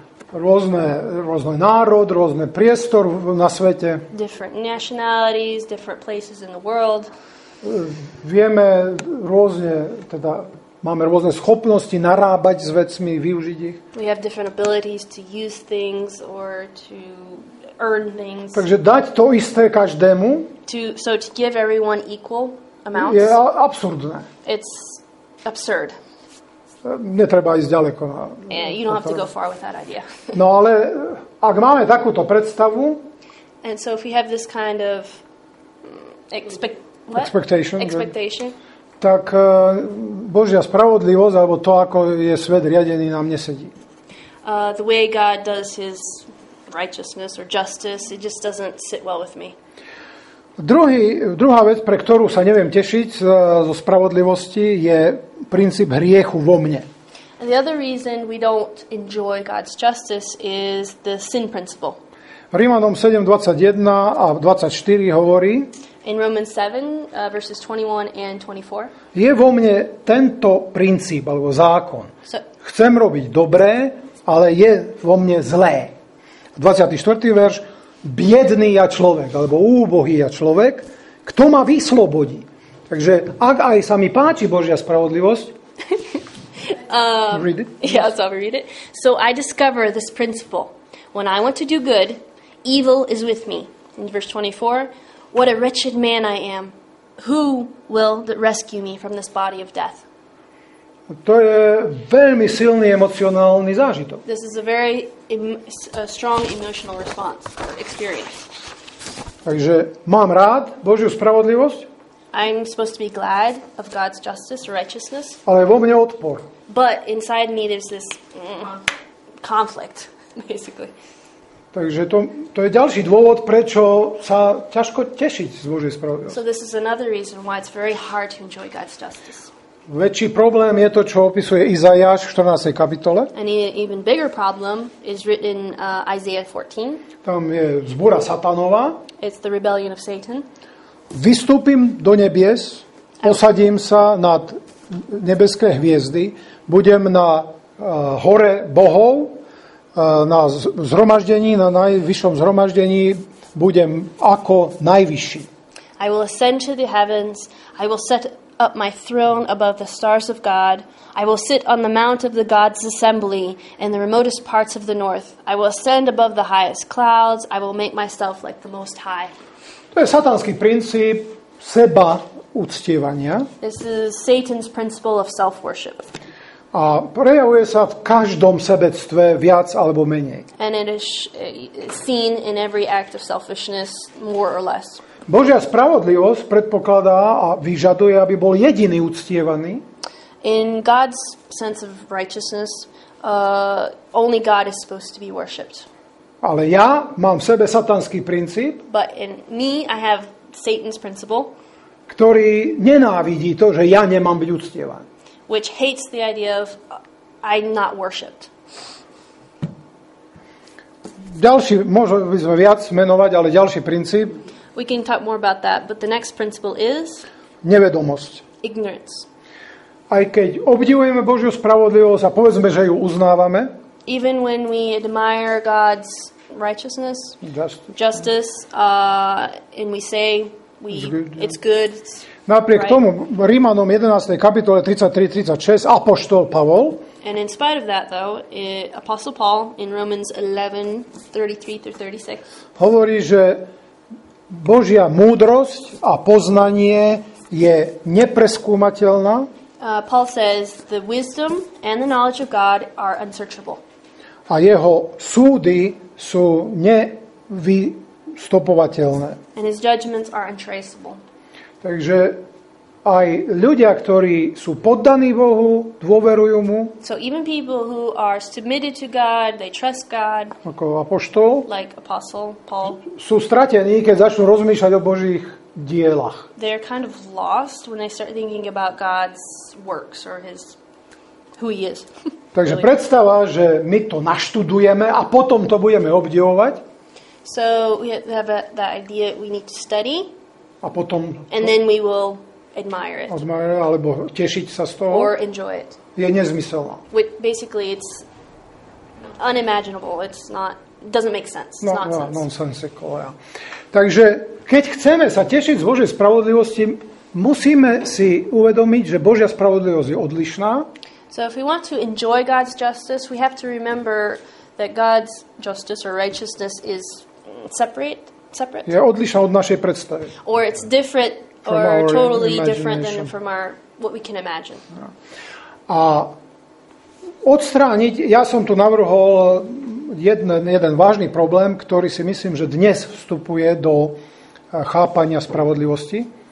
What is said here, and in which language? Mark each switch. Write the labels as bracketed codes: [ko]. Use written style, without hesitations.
[sk] Rôzne národ, rôzne priestor na svete. [en] Different nationalities, different places in the world. [sk] Vieme rôzne, teda máme rôzne schopnosti narábať s vecmi, využiť ich. [en] We have different abilities to use things or to earn things. [sk] Takže dať to isté každému, [en] to give everyone equal amounts, [sk] je absurdné. [en] It's absurd. [sk] Netreba ísť ďaleko. Na, [en] yeah, you don't have to go far with that idea. [sk] No ale ak máme takúto predstavu, [en] and so if we have this kind of expectation. [sk] Tak Božia spravodlivosť alebo to, ako je svet riadený, nám nesedí. [en] The way God does his righteousness or justice, it just doesn't sit well with me. [sk] Druhá vec, pre ktorú sa neviem tešiť zo spravodlivosti, je princíp hriechu vo mne. [en] And the other reason we don't enjoy God's justice is the sin principle. [sk] Rímanom 7:21 a 24 hovorí, [en] in Romans 7, verses 21 and 24. [sk] Je vo mne tento princíp, alebo zákon. Chcem robiť dobré, ale je vo mne zlé. 24. verš. Biedný ja človek, alebo úbohý ja človek, kto ma vyslobodí? Takže, ak aj sa mi páči Božia spravodlivosť, [en] read it. Yeah, so I'll read it. So I discover this principle. When I want to do good, evil is with me. In verse 24, what a wretched man I am. Who will rescue me from this body of death? [sk] To je veľmi silný emocionálny zážitok. [en] This is a very a strong emotional response or experience. [sk] Takže mám rád Božiu spravodlivosť. [en] I'm supposed to be glad of God's justice or righteousness. [sk] Ale vo mne odpor. [en] But inside me there's this conflict, basically. [sk] Takže to je ďalší dôvod, prečo sa ťažko tešiť z Božej spravodlivosti. [en] So this is another reason why it's very hard to enjoy God's justice. [sk] Väčší problém je to, čo opisuje Izaiáš v 14. kapitole. [en] And even bigger problem is written in Isaiah 14. [sk] Tam je vzbúra Satanova. [en] It's the rebellion of Satan. [sk] Vystúpim do nebies, posadím sa nad nebeské hviezdy, budem na hore bohov, na zhromaždení, na najvyššom zhromaždení budem ako najvyšší. [en] I will ascend to the heavens, I will set up my throne above the stars of God. I will sit on the mount of the God's assembly in the remotest parts of the north. I will ascend above the highest clouds. I will make myself like the Most High. [sk] To je satanský princíp seba uctievania. [en] This is Satan's principle of self-worship. [sk] A prejavuje sa v každom sebectve viac alebo menej. [en] And it is seen in every act of selfishness more or less. [sk] Božia spravodlivosť predpokladá a vyžaduje, aby bol jediný uctievaný. [en] In God's sense of righteousness, only God is supposed to be worshipped. [sk] Ale ja mám v sebe satanský princíp. [en] But in me I have Satan's principle. [sk] Ktorý nenávidí to, že ja nemám byť uctievaný. [en] Which hates the idea of I'm not worshipped. [sk] Ďalší, možno by sme viac menovať, ale ďalší princíp. [en] We can talk more about that, but the next principle is [sk] nevedomosť. [en] Ignorance. [sk] Aj keď obdivujeme Božiu spravodlivosť a povedzme, že ju uznávame, [en] even when we admire God's righteousness, justice, and we say it's good. [sk] Napriek tomu Rímanom 11. kapitole 33-36 apoštol Pavol. [en] And in spite of that though, Apostle Paul in Romans 11:33-36 [sk] hovorí, že Božia múdrosť a poznanie je nepreskúmateľná. [en] Paul says the wisdom and the knowledge of God are unsearchable. [sk] A jeho súdy sú nevystopovateľné. [en] And his judgments are untraceable. [sk] Takže aj ľudia, ktorí sú poddaní Bohu, dôverujú mu. [en] So even people who are submitted to God, they trust God. [sk] Ako apoštol. [en] Like apostle Paul. [sk] Sú stratení, keď začnú rozmýšľať o Božích dielach. [en] They are kind of lost when they start thinking about God's works or his who he is. [sk] Takže predstava, že my to naštudujeme a potom to budeme obdivovať. [en] So we have that idea we need to study. [sk] A potom [en] and then we will admire it. Admire [sk] alebo tešiť sa z toho. [en] Or enjoy it. [sk] Je nezmyselná. [en] Basically it's unimaginable. It's not doesn't make sense. [sk] No, [en] it's nonsense. Nonsensical. Yeah. [sk] Takže keď chceme sa tešiť z Božej spravodlivosti, musíme si uvedomiť, že Božia spravodlivosť je odlišná. [en] So if we want to enjoy God's justice, we have to remember that God's justice or righteousness is separate. [sk] Je odlišná od našej predstavy. [en] Or it's different or totally different than from our what we can imagine. [sk] A odstrániť, ja som tu navrhol jeden vážny problém, ktorý si myslím, že dnes vstupuje do chápania spravodlivosti.